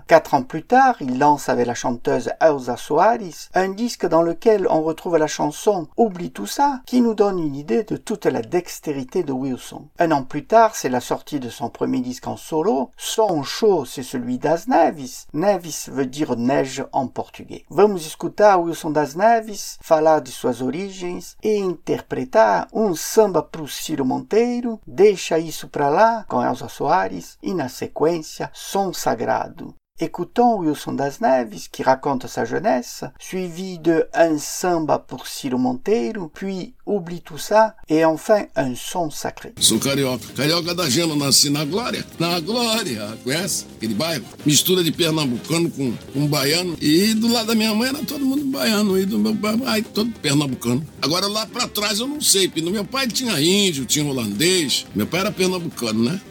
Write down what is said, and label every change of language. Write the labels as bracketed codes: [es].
[fr] Quatre ans plus tard, il lance avec la chanteuse Elsa Soares un disque dans lequel on retrouve la chanson Oublie tout ça, qui nous donne une idée de toute la dextérité de Wilson. Un an plus tard, c'est la sortie de son premier disque en solo. Son show, c'est celui das Neves. Neves veut dire neige en portugais. [pt] Vamos escutar Wilson das Neves falar de suas origens e interpretar samba pro Ciro Monteiro, Deixa Isso Pra Lá, com Elsa Soares, e na sequência, Som Sagrado. [fr] Écoutons Wilson das Neves qui raconte sa jeunesse, suivi de Un samba pour Ciro Monteiro, puis Oublie tout ça, et enfin un son sacré. [pt] Sou carioca, carioca da gema, nasci na glória, na glória, conhece aquele bairro? Mistura de pernambucano com baiano, e do lado da minha mãe era todo mundo baiano, e do meu pai todo pernambucano. Agora lá pra trás eu não sei, porque meu pai tinha índio, tinha holandês, meu pai era pernambucano, né?